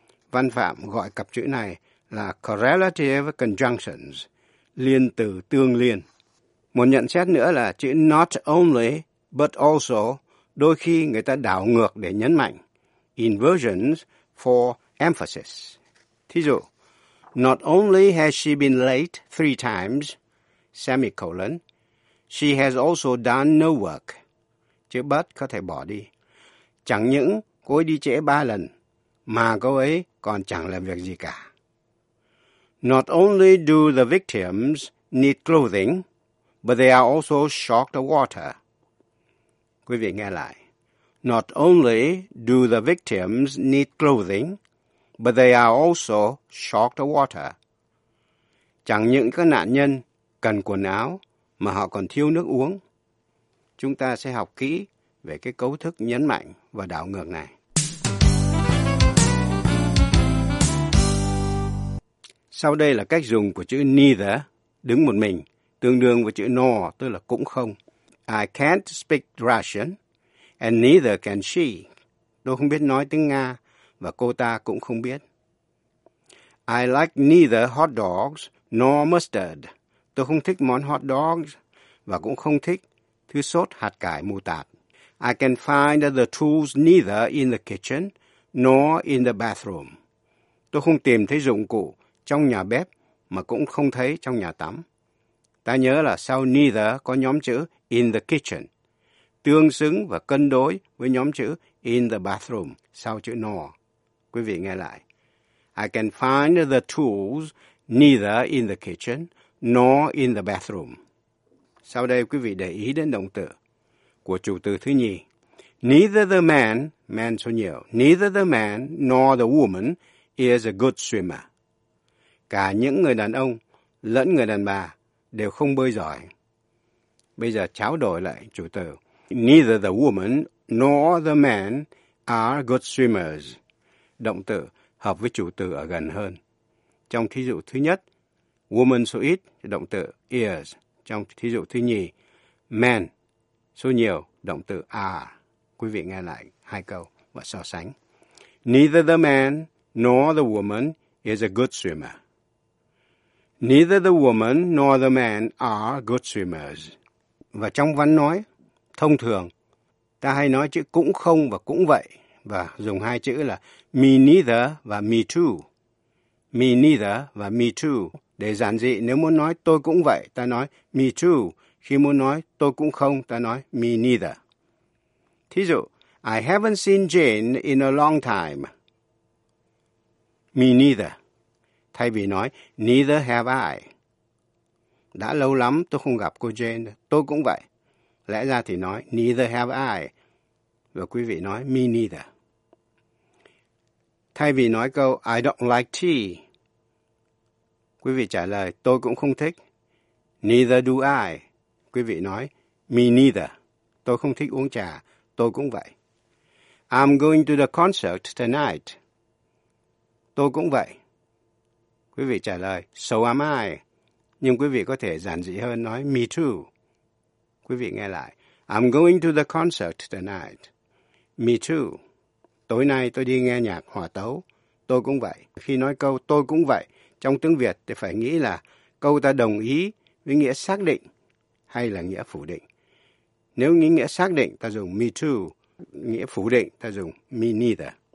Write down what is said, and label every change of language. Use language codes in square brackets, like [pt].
[vi] Văn Phạm gọi cặp chữ này là correlative conjunctions, liên từ tương liên. Một nhận xét nữa là chữ not only but also đôi khi người ta đảo ngược để nhấn mạnh, inversions for emphasis. Thí dụ, [en] not only has she been late 3 times, semicolon, she has also done no work. [vi] Chữ but có thể bỏ đi. Chẳng những cô ấy đi trễ 3 lần, mà cô ấy còn chẳng làm việc gì cả. [en] Not only do the victims need clothing, but they are also short of water. [vi] Quý vị nghe lại. [en] Not only do the victims need clothing, but they are also short of water. [vi] Chẳng những các nạn nhân cần quần áo, mà họ còn thiếu nước uống. Chúng ta sẽ học kỹ về cái cấu thức nhấn mạnh và đảo ngược này. Sau đây là cách dùng của chữ neither, đứng một mình, tương đương với chữ nor, tức là cũng không. [en] I can't speak Russian, and neither can she. [vi] Tôi không biết nói tiếng Nga, và cô ta cũng không biết. [en] I like neither hot dogs nor mustard. [vi] Tôi không thích món hot dogs, và cũng không thích thứ sốt hạt cải mù tạt. [en] I can find the tools neither in the kitchen nor in the bathroom. [vi] Tôi không tìm thấy dụng cụ trong nhà bếp, mà cũng không thấy trong nhà tắm. Ta nhớ là sau neither có nhóm chữ in the kitchen, tương xứng và cân đối với nhóm chữ in the bathroom sau chữ nor. Quý vị nghe lại. [en] I can find the tools neither in the kitchen nor in the bathroom. [vi] Sau đây quý vị để ý đến động từ của chủ từ thứ nhì. [en] Neither the man, man [vi] số nhiều, [en] neither the man nor the woman is a good swimmer. [vi] Cả những người đàn ông lẫn người đàn bà đều không bơi giỏi. Bây giờ tráo đổi lại chủ từ. [en] Neither the woman nor the man are good swimmers. [vi] Động từ hợp với chủ từ ở gần hơn. Trong thí dụ thứ nhất, woman số ít, động từ is. Trong thí dụ thứ nhì, man số nhiều, động từ are. Quý vị nghe lại hai câu và so sánh. [en] Neither the man nor the woman is a good swimmer. Neither the woman nor the man are good swimmers. [vi] Và trong văn nói, thông thường, ta hay nói chữ cũng không và cũng vậy, và dùng hai chữ là me neither và me too. Me neither và me too. Để giản dị, nếu muốn nói tôi cũng vậy, ta nói me too. Khi muốn nói tôi cũng không, ta nói me neither. Thí dụ, [en] I haven't seen Jane in a long time. Me neither. [vi] Thay vì nói, [en] neither have I. [vi] Đã lâu lắm tôi không gặp cô Jane, tôi cũng vậy. Lẽ ra thì nói, [en] neither have I. [vi] Và quý vị nói, me neither. Thay vì nói câu, [en] I don't like tea. [vi] Quý vị trả lời, tôi cũng không thích. [en] Neither do I. [vi] Quý vị nói, me neither. Tôi không thích uống trà, tôi cũng vậy. [en] I'm going to the concert tonight. [vi] Tôi cũng vậy. Quý vị trả lời, [en] so am I. [vi] Nhưng quý vị có thể giản dị hơn nói, me too. Quý vị nghe lại, [en] I'm going to the concert tonight. Me too. [vi] Tối nay tôi đi nghe nhạc hòa tấu. Tôi cũng vậy. Khi nói câu tôi cũng vậy, trong tiếng Việt thì phải nghĩ là câu ta đồng ý với nghĩa xác định hay là nghĩa phủ định. Nếu nghĩa xác định, ta dùng me too. Nghĩa phủ định, ta dùng me neither.